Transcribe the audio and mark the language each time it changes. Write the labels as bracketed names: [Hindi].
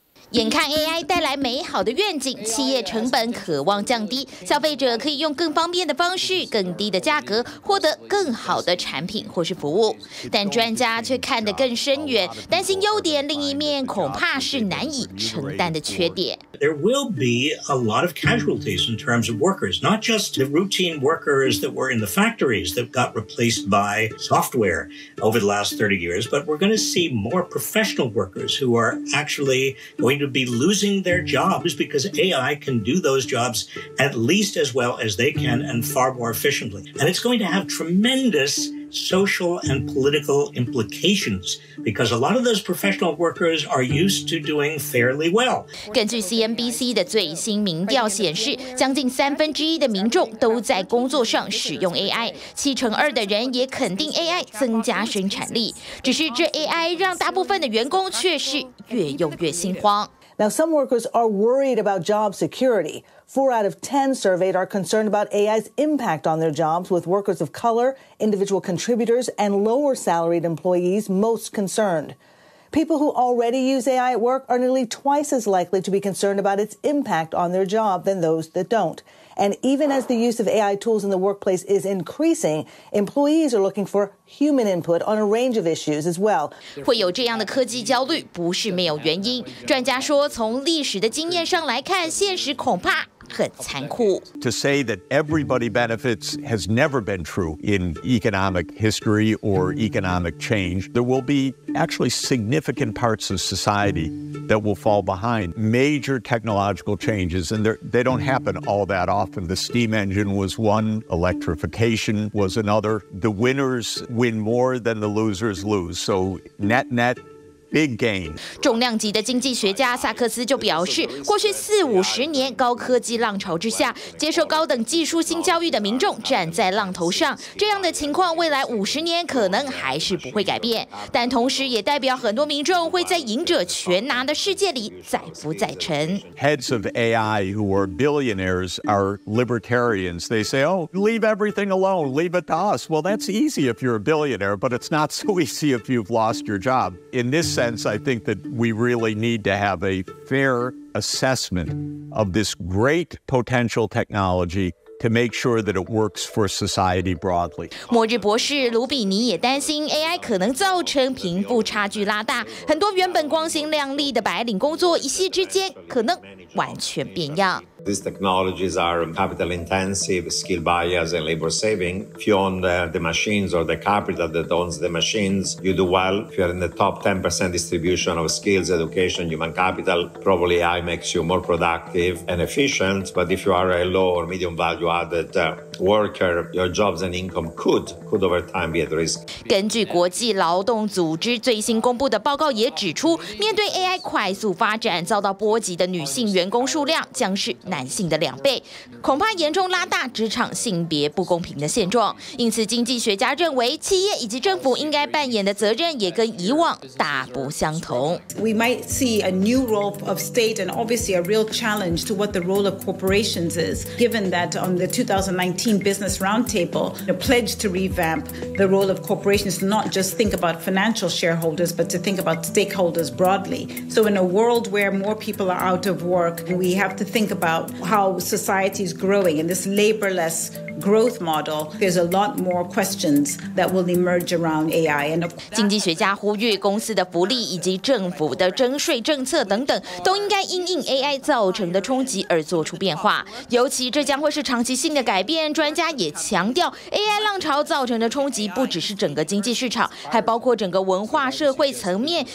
[Chinese] 眼看 AI 带来美好的愿景，企业成本渴望降低，消费者可以用更方便的方式、更低的价格获得更好的产品或是服务。但专家却看得更深远，担心优点另一面恐怕是难以承担的缺点。 [English] There will be a lot of casualties in terms of workers, not just the routine workers that were in the factories that got replaced by software over the last 30 years, but we're going to see more professional workers who are actually going to be losing their jobs because AI can do those jobs at least as well as they can and far more efficiently. And it's going to have tremendous social and political implications. Because a lot of those professional workers are used to doing fairly well. [Chinese] 根据 CNBC 的最新民调显示，将近1/3的民众都在工作上使用 AI， 72%的人也肯定 AI 增加生产力。只是这 AI 让大部分的员工却是越用越心慌。 [English] Now some workers are worried about job security. 4 out of 10 surveyed are concerned about AI's impact on their jobs, with workers of color, individual contributors, and lower salaried employees most concerned. People who already use AI at work are nearly twice as likely to be concerned about its impact on their job than those that don't. And even as the use of AI tools in the workplace is increasing, employees are looking for human input on a range of issues as well. [Chinese] 会有这样的科技焦虑不是没有原因。专家说，从历史的经验上来看，现实恐怕很残酷。 [English] To say that everybody benefits has never been true in economic history or economic change. There will be actually significant parts of society that will fall behind. Major technological changes, and they don't happen all that often. The steam engine was one, electrification was another. The winners win more than the losers lose. So net net, big gain. [Chinese] 重量级的经济学家萨克斯就表示，过去四五十年高科技浪潮之下，接受高等技术性教育的民众站在浪头上，这样的情况未来五十年可能还是不会改变，但同时也代表很多民众会在赢者全拿的世界里再浮再沉。 [English] Heads of AI who are billionaires are libertarians. They say, "Oh, leave everything alone, leave it to us." Well, that's easy if you're a billionaire, but it's not so easy if you've lost your job. In this sense, I think that we really need to have a fair assessment of this great potential technology. To make sure that it works for society broadly. [Chinese] 末日博士卢比尼也担心 AI 可能造成贫富差距拉大，很多原本光鲜亮丽的白领工作，一夕之间可能完全变样。 [English] These technologies are capital intensive, skill bias, and labor saving. If you own the machines or the capital that owns the machines, you do well. If you're in the top 10% distribution of skills, education, human capital, probably AI makes you more productive and efficient. But if you are a low or medium value added worker, your jobs and income could over time be at risk. [Chinese] 根据国际劳动组织最新公布的报告也指出，面对 AI 快速发展，遭到波及的女性员工数量将是男性的两倍，恐怕严重拉大职场性别不公平的现状。因此，经济学家认为，企业以及政府应该扮演的责任也跟以往大不相同。 [English] We might see a new role of state, and obviously a real challenge to what the role of corporations is, given that on the 2019 Business Roundtable, the pledge to revamp the role of corporations, not just think about financial shareholders, but to think about stakeholders broadly. So, in a world where more people are out of work, we have to think about how society is growing in this laborless growth model. There's a lot more questions that will emerge around AI. And [Chinese] 经济学家呼吁，公司的福利以及政府的征税政策等等，都应该因应 AI 造成的冲击而做出变化。尤其这将会是长期性的改变。专家也强调 ，AI 浪潮造成的冲击不只是整个经济市场，还包括整个文化社会层面。